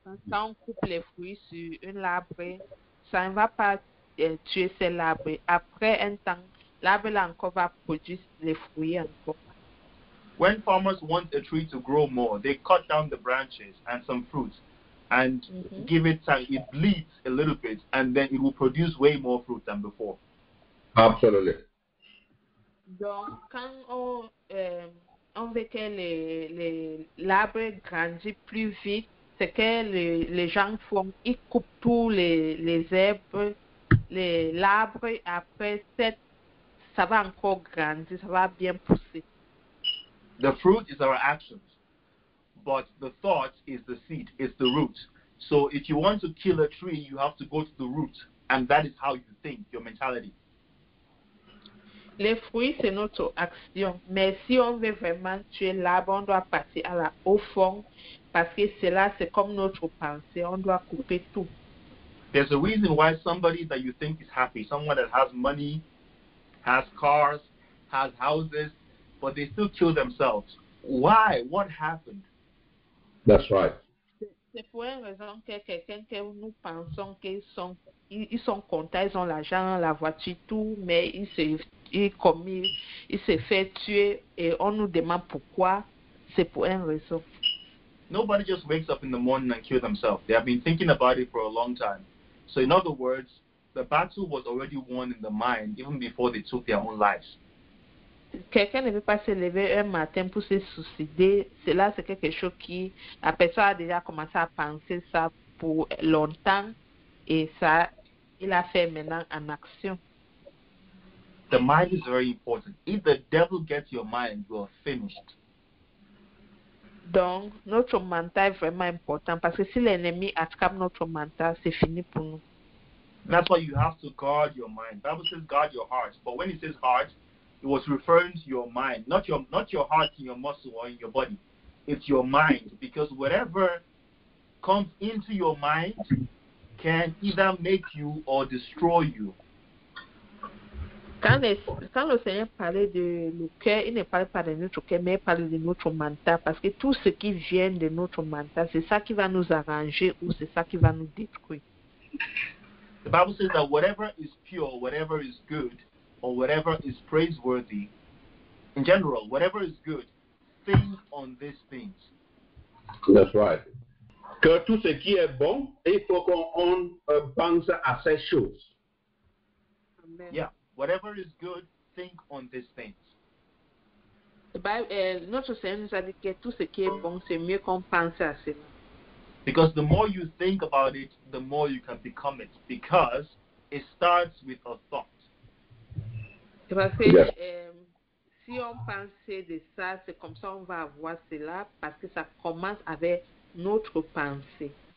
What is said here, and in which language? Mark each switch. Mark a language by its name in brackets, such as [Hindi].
[French] Quand on coupe les fruits sur un arbre, ça ne va pas tuer cet arbre. Après un temps, l'arbre encore va produire les fruits encore. [English] When farmers want a tree to grow more, they cut down the branches and some fruit. And give it time. It bleeds a little bit, and then it will produce way more fruit than before. Absolutely. [French] Donc, quand on veut que l'arbre grandisse plus vite, ce que les gens font, ils coupent tous les herbes, l'arbre, après, ça va encore grandir, ça va bien pousser. [English] The fruit is our actions, but the thought is the seed, it's the root. So if you want to kill a tree, you have to go to the root, and that is how you think, your mentality. [French] Les fruits, c'est notre action. Mais si on veut vraiment tuer l'arbre, on doit passer au fond, parce que cela, c'est comme notre pensée. On doit couper tout. [English] There's a reason why somebody that you think is happy, someone that has money, has cars, has houses, but they still kill themselves. Why? What happened? That's right. [French] C'est pour une raison que quelqu'un que nous pensons qu'ils sont contents, ils ont l'argent, la voiture, tout, mais il s'est fait tuer et on nous demande pourquoi. C'est pour une raison. [English] Nobody just wakes up in the morning and kills themselves. They have been thinking about it for a long time. So in other words, the battle was already won in the mind even before they took their own lives. [French] Quelqu'un ne veut pas se lever un matin pour se suicider. Cela, c'est quelque chose qui la personne a déjà commencé à penser ça pour longtemps et ça, il a fait maintenant en action. [English] The mind is very important. If the devil gets your mind, you are finished. [French] Donc, notre mental est vraiment important parce que si l'ennemi attrape notre mental, c'est fini pour nous. [English] That's why you have to guard your mind. The Bible says guard your heart. But when it says heart, it was referring to your mind, not your heart in your muscle or in your body. It's your mind, because whatever comes into your mind can either make you or destroy you. [French] Quand le Seigneur parlait de le cœur, il ne parlait pas de notre cœur, mais il parlait de notre mental, parce que tout ce qui vient de notre mental, c'est ça qui va nous arranger ou c'est ça qui va nous détruire. [English] The Bible says that whatever is pure, whatever is good, or whatever is praiseworthy, in general, whatever is good, think on these things. That's right. [French] Que tout ce qui est bon, il faut qu'on pense à ces choses. [English] Amen. Yeah, whatever is good, think on these things. [French] The Bible, notre Seigneur nous a dit que tout ce qui est bon, c'est mieux qu'on pense à ça. [English] Because the more you think about it, the more you can become it. Because it starts with a thought. [French] Parce que si on pense de ça, c'est comme ça qu'on va avoir cela, parce que ça commence avec notre pensée.